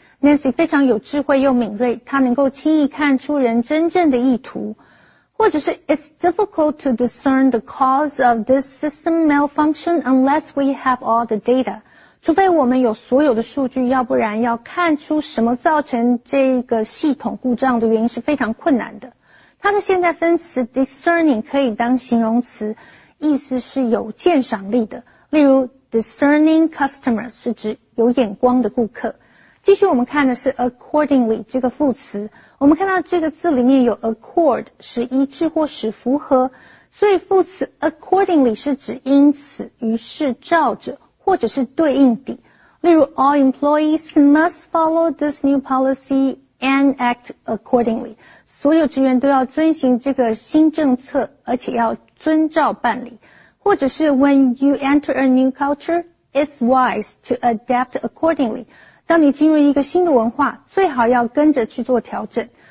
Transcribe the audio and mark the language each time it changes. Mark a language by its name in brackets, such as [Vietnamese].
[Chinese] Nancy 非常有智慧又敏锐，她能够轻易看出人真正的意图。或者是 [English] It's difficult to discern the cause of this system malfunction unless we have all the data. [Chinese] 除非我们有所有的数据，要不然要看出什么造成这个系统故障的原因是非常困难的。它的现在分词 discerning 可以当形容词，意思是有鉴赏力的。例如 discerning customers 是指有眼光的顾客。继续我们看的是 accordingly 这个副词，我们看到这个字里面有 accord 使一致或使符合，所以副词 accordingly 是指因此、于是、照着或者是对应的。例如 [English] all employees must follow this new policy and act accordingly， [Chinese] 所有职员都要遵循这个新政策，而且要遵照办理。或者是 [English] when you enter a new culture， it's wise to adapt accordingly。 [Chinese] 当你进入一个新的文化，最好要跟着去做调整。